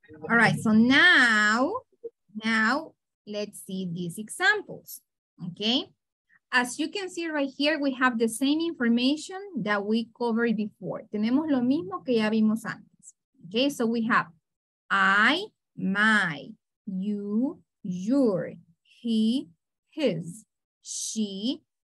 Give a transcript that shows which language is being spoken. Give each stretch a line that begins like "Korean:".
English: All right, so now let's see these examples, okay? As you can see right here, we have the same information that we covered before.
Spanish: Tenemos lo mismo que ya vimos antes, okay?
English: So we have I, my, you, your, he, his, she,